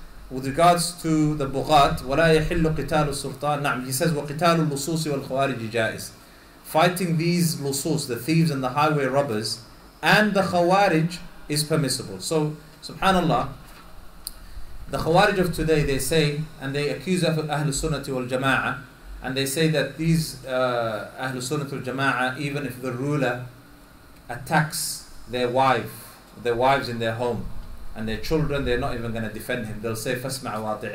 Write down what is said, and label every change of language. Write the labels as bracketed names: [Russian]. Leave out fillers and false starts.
[English] with regards to the Bughat, [Arabic] وَلَا يَحِلُّ قِتَالُ السُّلْطَانِ. نعم, [English] he says, [Arabic] وَقِتَالُ اللُّصُوصِ وَالْخُوَارِجِ جَائِزِ. [English] Fighting these lusus, the thieves and the highway robbers, and the khawarij is permissible. So, subhanAllah, the khawarij of today, they say, and they accuse Ahlul Sunnati wal Jama'ah, and they say that these Ahlul Sunnati wal Jama'ah, even if the ruler attacks their wives in their home, and their children, they're not even going to defend him. They'll say, [Arabic] فَاسْمَعَ وَأَطِعَ.